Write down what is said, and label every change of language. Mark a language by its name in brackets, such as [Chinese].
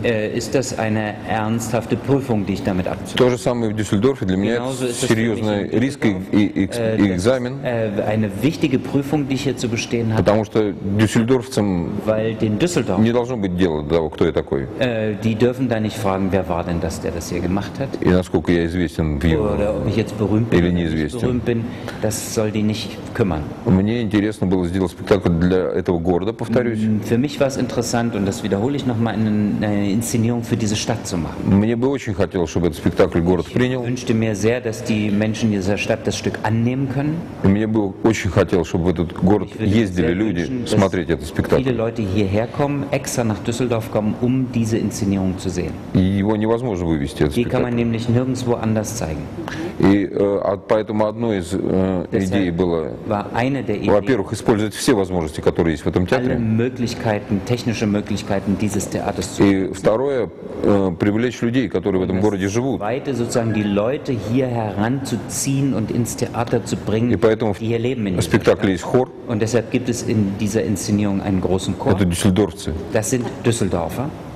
[German] Ist das eine ernsthafte Prüfung, die ich damit abziehe? [Russian] То же самое в Дюссельдорфе. Для меня это серьезный риск и экзамен. [German] Eine wichtige Prüfung, die ich hier zu bestehen habe. [Russian] Потому что дюссельдорфцам не должно быть дела до того, кто я такой. [German] Die dürfen da nicht fragen, wer war denn das, der das hier gemacht hat. [Russian] И насколько я известен в его, [German] ob ich jetzt berühmt bin, [Russian] или неизвестен. [German] Berühmt bin, das soll die nicht kümmern. [Russian] Мне интересно было сделать спектакль для этого города, повторюсь. [German] Für mich war es interessant, und das wiederhole ich nochmal, eine Inszenierung für diese Stadt zu machen. [Russian] Мне бы очень хотелось, чтобы этот спектакль город принял. [German] Ich wünschte mir sehr, dass die Menschen dieser Stadt das Stück annehmen können. [Russian] Мне бы очень хотелось, чтобы этот город ездили люди, смотреть этот спектакль. [German] Viele Leute hierher kommen, extra nach Düsseldorf kommen, um diese Inszenierung zu sehen. [Russian] Его невозможно вывести, этот спектакль. [German] Die kann man nämlich nirgendwo anders zeigen. [Russian] И поэтому одной из идей было, во-первых, использовать все возможности, которые есть в этом театре. [German] Alle Möglichkeiten, technische Möglichkeiten dieses Theaters zu nutzen. [Russian] И второе, привлечь людей, которые в этом городе живут. [German] Weiter sozusagen die Leute hier heranzuziehen und ins Theater zu bringen, die hier leben. Und Spektakel ist Chor. Und deshalb gibt es in dieser Inszenierung einen großen Chor. Das sind Düsseldorfer.